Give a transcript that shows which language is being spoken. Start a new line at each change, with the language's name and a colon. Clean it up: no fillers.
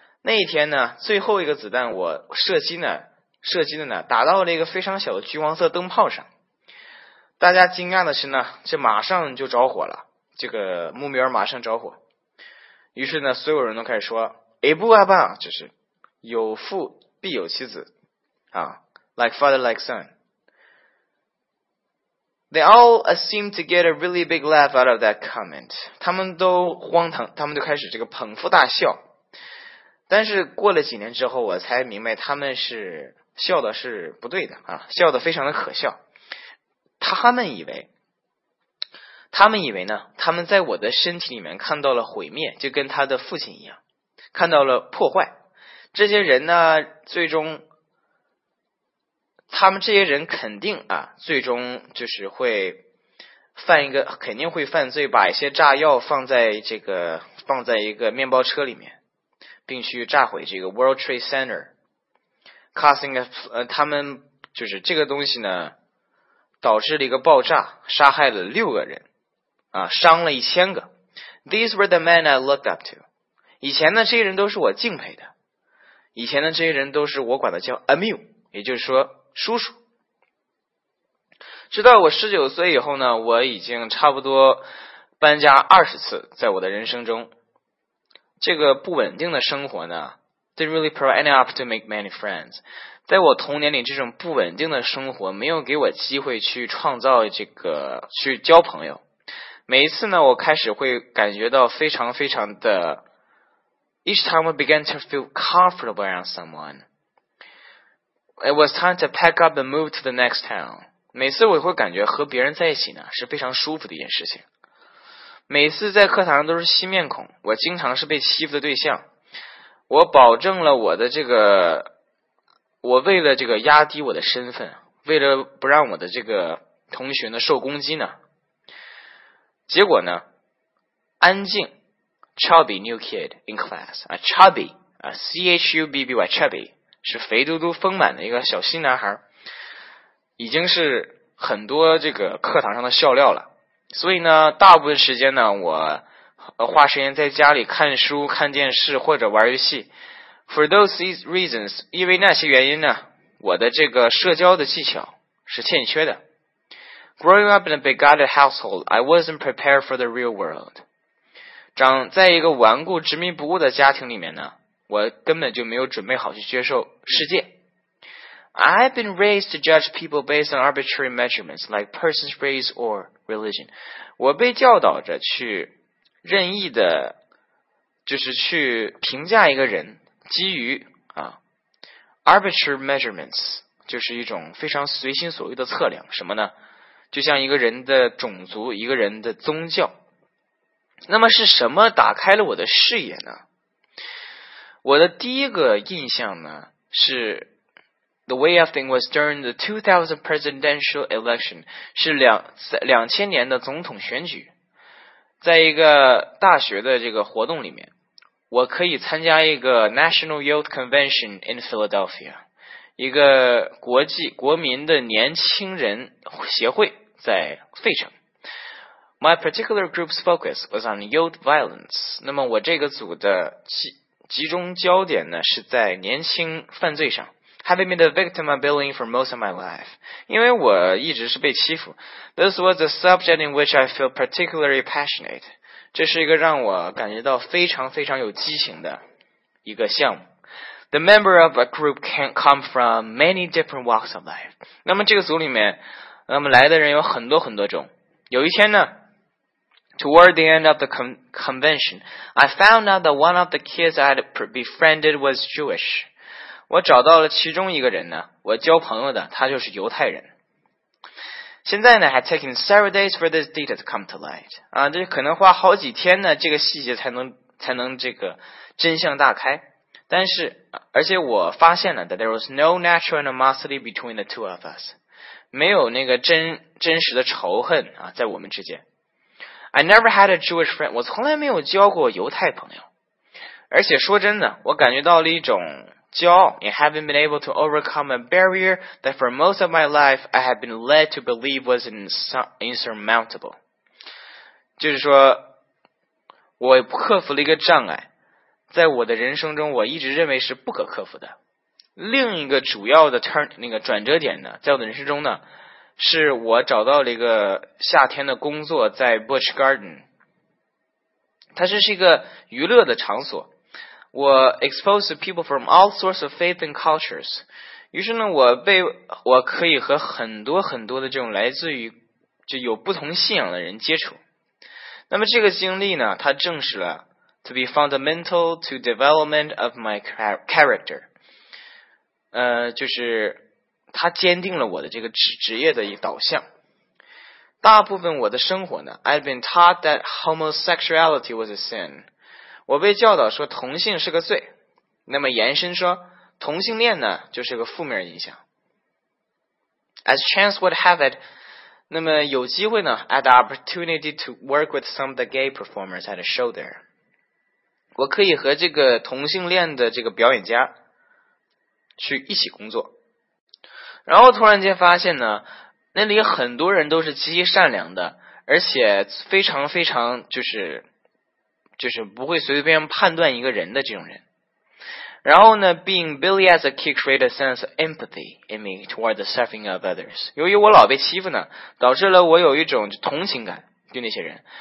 Chinese: 那一天呢，最后一个子弹我射击的呢打到了一个非常小的橘黄色灯泡上。大家惊讶的是呢，这马上就着火了，这个木苗马上着火。于是呢所有人都开始说 Abu Aba 就是有父必有其子，
English: Huh. Like father, like son. They all seem to get a really big laugh out of that comment.
Chinese: 他们都荒唐，他们就开始这个捧腹大笑。但是过了几年之后，我才明白他们是笑的是不对的啊，笑的非常的可笑。他们以为呢，他们在我的身体里面看到了毁灭，就跟他的父亲一样，看到了破坏。这些人呢，最终。他们这些人肯定啊，最终就是会犯一个，肯定会犯罪，把一些炸药放在一个面包车里面，并去炸毁这个 World Trade Center， causing 他们就是这个东西呢，导致了一个爆炸，杀害了六个人，啊，伤了一千个。
English: These were the men I looked up to。
Chinese: 以前呢，这些人都是我敬佩的，以前呢，这些人都是我管的叫 Amu， 也就是说。叔叔，直到我19岁以后呢，我已经差不多搬家20次，在我的人生中，这个不稳定的生活呢 ，
English: didn't really provide any opportunity to make many friends。
Chinese: 在我童年里，这种不稳定的生活没有给我机会去创造这个去交朋友。每一次呢，我开始会感觉到非常非常的
English: ，each time I began to feel comfortable around someone。 It was time to pack up and move to the next town.
Chinese: 每次我会感觉和别人在一起呢是非常舒服的一件事情。每次在课堂上都是新面孔，我经常是被欺负的对象。我保证了我的这个，我为了这个压低我的身份，为了不让我的这个同学呢受攻击呢。
English: 结果呢，
Chinese: 安静
English: ，chubby new kid in class, a chubby, a chubby chubby.
Chinese: 是肥嘟嘟丰满的一个小新男孩，已经是很多这个课堂上的笑料了。所以呢，大部分时间呢，我花时间在家里看书、看电视或者玩游戏。
English: For those reasons，
Chinese: 因为那些原因呢，我的这个社交的技巧是欠缺的。
English: Growing up in a bigoted household， I wasn't prepared for the real world。
Chinese: 长在一个顽固执迷不悟的家庭里面呢。我根本就没有准备好去接受世界。
English: I've been raised to judge people based on arbitrary measurements, like person's race or religion.
Chinese: 我被教导着去任意的，就是去评价一个人，基于啊
English: arbitrary measurements，
Chinese: 就是一种非常随心所欲的测量，什么呢？就像一个人的种族，一个人的宗教。那么是什么打开了我的视野呢？我的第一个印象呢是
English: The way of thing was during the 2000 presidential election
Chinese: 是2000年的总统选举，在一个大学的这个活动里面，我可以参加一个
English: National Youth Convention in Philadelphia，
Chinese: 一个国民的年轻人协会在费城。
English: My particular group's focus was on youth violence。
Chinese: 那么我这个组的集中焦点呢是在年轻犯罪上。
English: Having been the victim of bullying for most of my life，
Chinese: 因为我一直是被欺负。
English: This was a subject in which I feel particularly passionate，
Chinese: 这是一个让我感觉到非常非常有激情的一个项目。
English: The member of a group can come from many different walks of life，
Chinese: 那么这个组里面，那么来的人有很多很多种。有一天呢，
English: Toward the end of the convention, I found out that one of the kids I had befriended was Jewish.
Chinese: 我找到了其中一个人呢，我交朋友的，他就是犹太人。现在呢
English: ，had taken several days for this detail to come to light.
Chinese: 啊，这可能花好几天呢，这个细节才能这个真相大开。但是，而且我发现了
English: that there was no natural animosity between the two of us.
Chinese: 没有那个真实的仇恨啊，在我们之间。
English: I never had a Jewish friend.
Chinese: 我从来没有交过犹太朋友。而且说真的，我感觉到了一种骄傲
English: in having been able to overcome a barrier that for most of my life I had been led to believe was insurmountable.
Chinese: 就是说，我克服了一个障碍，在我的人生中，我一直认为是不可克服的。另一个主要的转折点呢，在我的人生中呢。是我找到了一个夏天的工作，在 Busch Garden， 它是一个娱乐的场所。我
English: exposed to people from all sorts of faith and cultures.
Chinese: 于是呢，我可以和很多很多的这种来自于就有不同信仰的人接触。那么这个经历呢，它证实了
English: to be fundamental to development of my character.
Chinese: 就是它坚定了我的这个职业的一个导向。
English: 大部分我的生活呢 ， I've been taught that homosexuality was a sin.
Chinese: 我被教导说同性是个罪。那么延伸说，同性恋呢就是个负面影响。
English: As chance would have it, 那么有机会呢 ， had the opportunity to work with some of the gay performers at a show there.
Chinese: 我可以和这个同性恋的这个表演家去一起工作。然后突然间发现呢。那里很多人都是积极善良的，而且非常非常就是不会随随便判断一个人的这种人。然后呢
English: ，being bullied as a kid created a sense of empathy in me toward the suffering of others。
Chinese: 由于我老被欺负呢，导致了我有一种同情感对那些人。